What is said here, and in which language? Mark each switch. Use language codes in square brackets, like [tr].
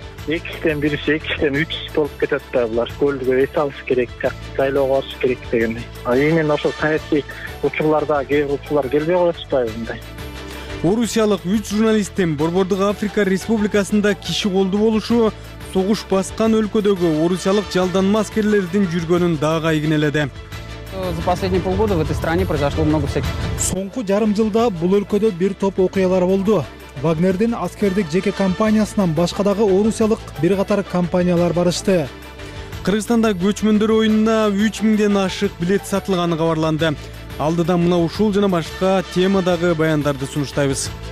[ky] 2-3 болуп кетет да булар. Көлдүгө эс алыш керек, сайлоого барыш керек дегендей. А эми ошол саясий учурларда кээ бир учурлар келбей коет атпайбы мындай. Орусиялык 3 журналисттин Борбордук Африка Республикасында киши колду болушу согуш баскан өлкөдөгү орусиялык жалданма аскерлердин жүргөнүн дагы айгинеледи. [ru] За последние полгода в этой стране произошло много всяких. [ky] Соңку жарым жылда бул өлкөдө бир топ окуялар болду. Вагнердин аскердик жеке компаниясынан башка дагы орусиялык бир катар компаниялар барышты. Кыргызстанда көчмөндөр оюнуна 3000ден ашык билет сатылганы кабарланды. Алдыдан мына ушул жана башка темадагы баяндарды сунуштайбыз.